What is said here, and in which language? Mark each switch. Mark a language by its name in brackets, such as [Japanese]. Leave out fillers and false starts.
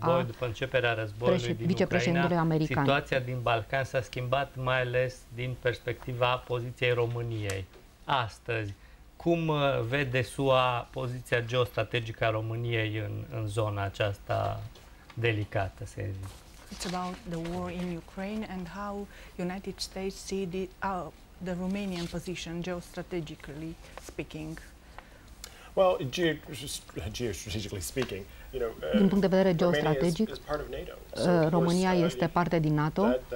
[Romanian] după începerea războiului vicepreședintelui american. Situația din Balcan s-a schimbat mai ales din perspectiva poziției României. Astăzi, cum vede SUA poziția geostrategică a României în zona aceasta delicată, să zic? [English] It's about the war in Ukraine and how United States see the Romanian position geostrategically speaking. Well, geostrategically speaking, you know, [Romanian] din punct de vedere geostrategic, România este parte din NATO.